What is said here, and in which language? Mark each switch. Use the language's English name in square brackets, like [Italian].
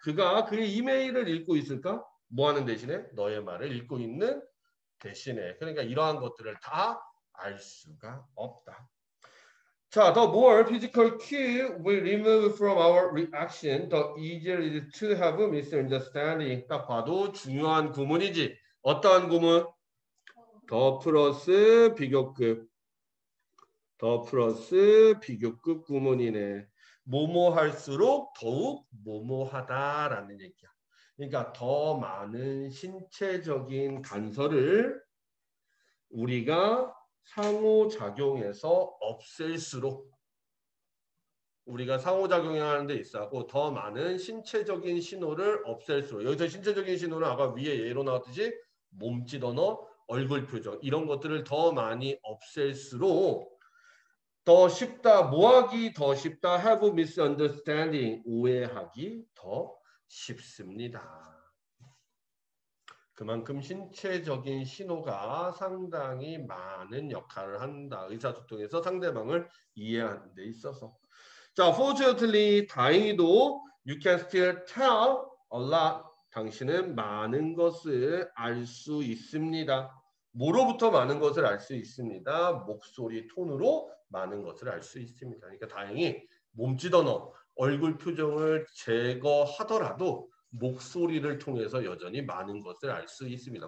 [Korean] 그가 그의 이메일을 읽고 있을까? 뭐 하는 대신에? 너의 말을 읽고 있는 대신에. 그러니까 이러한 것들을 다알 수가 없다. [English] 자, the more physical cue we remove from our reaction, the easier it is to have a misunderstanding. [Korean] 딱 봐도 중요한 구문이지. 어떠한 구문? the 플러스 비교급. the 플러스 비교급 구문이네. 뭐뭐 할수록 더욱 뭐뭐하다라는 얘기야. 그러니까 더 많은 신체적인 단서를 우리가 상호작용해서 없앨수록 우리가 상호작용이라는 데 있어 하고 더 많은 신체적인 신호를 없앨수록 여기서 신체적인 신호는 아까 위에 예로 나왔듯이 몸짓 언어, 얼굴 표정 이런 것들을 더 많이 없앨수록 더 쉽다, 뭐하기 더 쉽다, [English] have a misunderstanding [Korean] 오해하기 더 쉽습니다. 그만큼 신체적인 신호가 상당히 많은 역할을 한다. 의사소통에서 상대방을 이해하는 데 있어서. [English] 자, fortunately, [Korean] 다행히도 [English] you can still tell a lot. [Korean] 당신은 많은 것을 알수 있습니다. 뭐로부터 많은 것을 알수 있습니다. 목소리 톤으로 많은 것을 알수 있습니다. 그러니까 다행히 몸짓도 너 얼굴 표정을 제거하더라도 목소리를 통해서 여전히 많은 것을 알수 있습니다.